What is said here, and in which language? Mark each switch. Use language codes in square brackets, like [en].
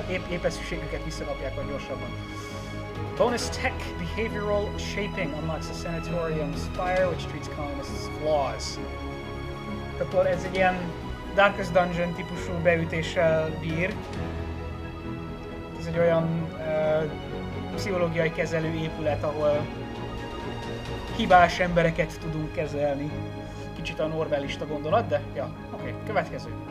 [hu] Épeszűségüket visszakapják a gyorsabban. [en] Bonus tech, behavioral shaping unlocks a sanatorium spire, which treats colonists flaws. [hu] Akkor ez egy ilyen Darkest Dungeon típusú beütéssel bír. Ez egy olyan pszichológiai kezelő épület, ahol hibás embereket tudunk kezelni. Kicsit olyan orwellista gondolat, de ja, oké, okay, következő.